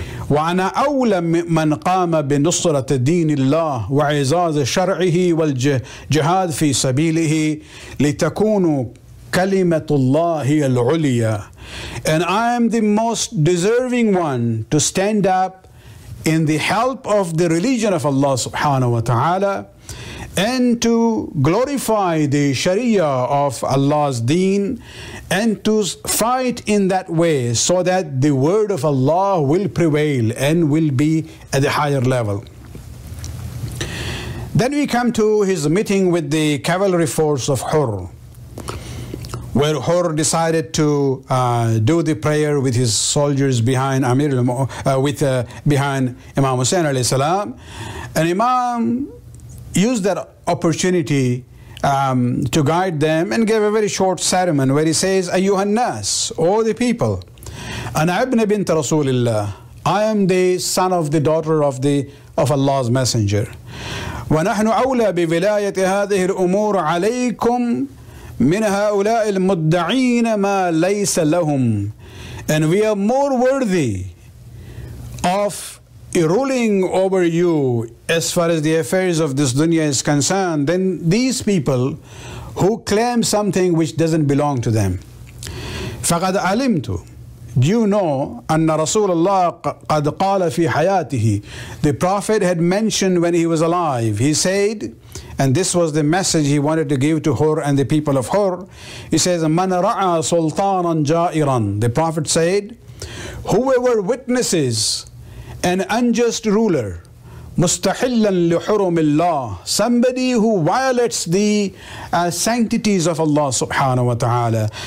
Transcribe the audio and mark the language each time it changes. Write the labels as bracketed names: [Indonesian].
[Arabic] وأنا أولى من قام بنصرة دين الله وعزاز شرعه والجهاد في سبيله لتكون كلمة الله هي العليا. [English] And I am the most deserving one to stand up in the help of the religion of Allah سبحانه وتعالى and to glorify the Sharia of Allah's deen and to fight in that way so that the word of Allah will prevail and will be at a higher level. Then we come to his meeting with the cavalry force of Hur, where Hur decided to do the prayer with his soldiers behind Amir behind Imam Hussein alayhi salam. And Imam used that opportunity to guide them and gave a very short sermon where he says, [Arabic] Ayyuhan Nas, [English] all the people, [Arabic] Ana Ibna bint Rasulillah, [English] I am the son of the daughter of the of Allah's Messenger. [Arabic] ونحن أولى بولاية هذه الأمور عليكم من هؤلاء المدعين ما ليس لهم. [English] And we are more worthy of ruling over you as far as the affairs of this dunya is concerned than these people who claim something which doesn't belong to them. [Arabic] فَقَدْ عَلِمْتُ [English] Do you know [Arabic] أَنَّ رَسُولَ اللَّهِ قَدْ قَالَ فِي حَيَاتِهِ [English] The Prophet had mentioned when he was alive, he said, and this was the message he wanted to give to Hur and the people of Hur, he says, [Arabic] مَنْ رَعَى سُلْطَانًا جَائِرًا [English] The Prophet said, whoever witnesses an unjust ruler, [Arabic] مُسْتَحِلًّا لِحُرُمِ اللَّهِ [English] Somebody who violates the sanctities of Allah subhanahu wa ta'ala.